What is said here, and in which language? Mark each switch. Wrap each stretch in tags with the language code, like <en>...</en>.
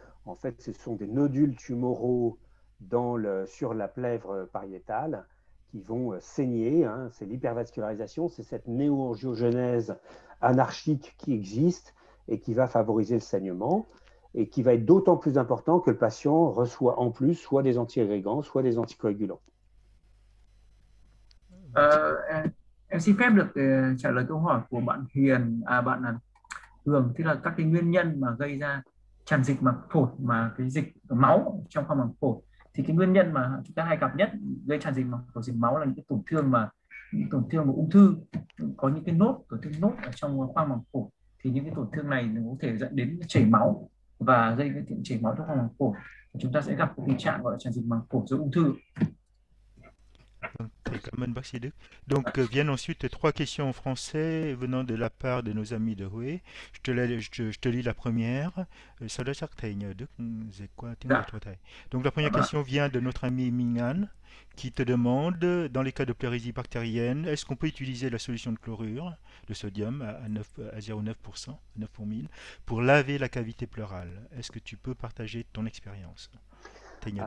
<fr>En fait, ce sont des nodules tumoraux sur la plèvre pariétale qui vont saigner. Hein. C'est l'hypervascularisation, c'est cette néo-angiogenèse anarchique qui existe et qui va favoriser le saignement et qui va être d'autant plus important que le patient reçoit en plus soit des antiagrégants, soit des anticoagulants.</fr> <vi>Em xin phép được trả lời câu hỏi của bạn Hiền, bạn Hường, thì là các cái nguyên nhân mà gây ra tràn dịch màng phổi, mà cái dịch máu trong khoang màng phổi, thì cái nguyên nhân mà chúng ta hay gặp nhất gây tràn dịch màng phổi, dịch máu là những tổn thương của ung thư, có những cái nốt, tổn thương nốt ở trong khoang màng phổi, thì những cái tổn thương này nó có thể dẫn đến chảy máu và gây cái chảy máu trong khoang màng phổi, chúng ta sẽ gặp cái tình trạng gọi là tràn dịch màng phổi do ung thư. Thầy, cảm ơn bác sĩ Đức.</vi> <fr>Donc viennent ensuite trois questions en français venant de la part de nos amis de Huế. Je te lis la première.</fr> <vi>Sau đó chắc thầy nhờ Đức dịch qua tiếng Việt Dạ. cho thầy.</vi> <fr>Donc la première</fr> <vi>Vâng ạ.</vi> <fr>question vient de notre ami Mingan qui te demande, dans les cas de pleurésie bactérienne, est-ce qu'on peut utiliser la solution de chlorure, de sodium à 0,9%, 9 pour 1000, pour laver la cavité pleurale? Est-ce que tu peux partager ton expérience,</fr> <vi>thầy nhờ Đức?</vi>